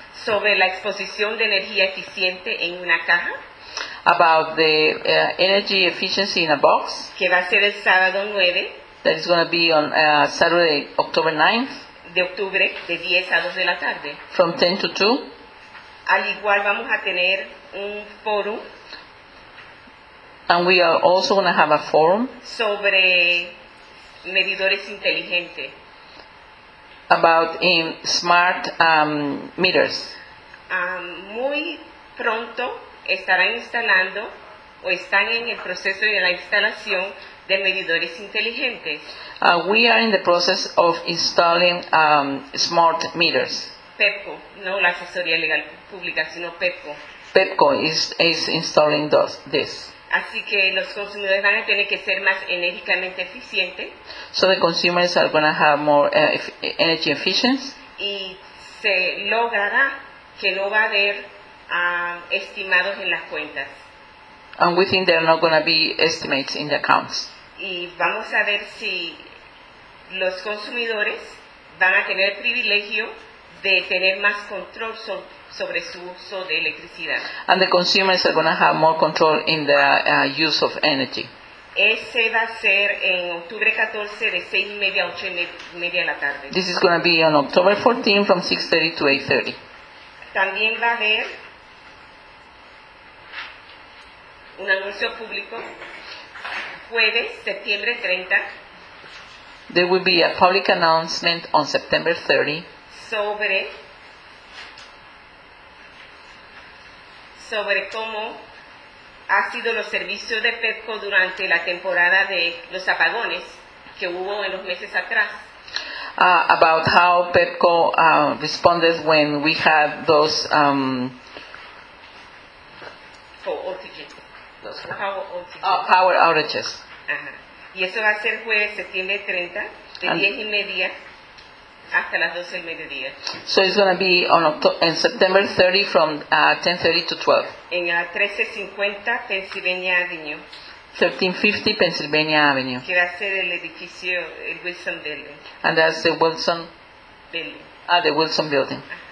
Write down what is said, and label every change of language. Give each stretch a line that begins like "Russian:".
Spanish: Sobre la exposición de energía eficiente en una caja.
English: About the energy efficiency in a box.
Spanish: Que va a ser el sábado 9.
English: That is going to be on Saturday, October 9th.
Spanish: De octubre, de 10 a 2 de la tarde.
English: From 10 to 2.
Spanish: Al igual vamos a tener un forum.
English: And we are also going to have a forum.
Spanish: Sobre medidores inteligentes.
English: About in smart meters.
Spanish: Muy pronto estarán instalando o están en el proceso de la instalación de medidores inteligentes.
English: We are in the process of installing smart meters.
Spanish: PEPCO, no la asesoría legal pública, sino PEPCO.
English: PEPCO is installing this.
Spanish: Así que los consumidores van a tener que ser más enérgicamente eficientes.
English: So the consumers are going to have more energy efficiency.
Spanish: Y se logrará que no va a haber estimados en las cuentas.
English: And we think there are not going to be estimates in the accounts.
Spanish: Y vamos a ver si los consumidores van a tener el privilegio de tener más control sobre su uso de electricidad.
English: And the consumers are going to have more control in the use of energy.
Spanish: Ese va a ser en octubre 14 de 6 y media a 8 y media de la tarde.
English: This is going to be on October 14 from 6:30 to 8:30.
Spanish: También va a haber un anuncio público jueves, septiembre 30.
English: There will be a public announcement on September 30
Spanish: sobre cómo ha sido los servicios de PEPCO durante la temporada de los apagones que hubo en los meses atrás.
English: About how PEPCO responded when we had those power outages. Uh-huh.
Spanish: Y eso va a ser jueves, septiembre 30, de 10 y media hasta las 12 del mediodía.
English: So it's going to be on September 30 from 10:30 to 12.
Spanish: En 1350 Pennsylvania Avenue.
English: 1350 Pennsylvania Avenue.
Spanish: Que va a ser el edificio, el Wilson Building.
English: And that's the Wilson Building. The Wilson Building.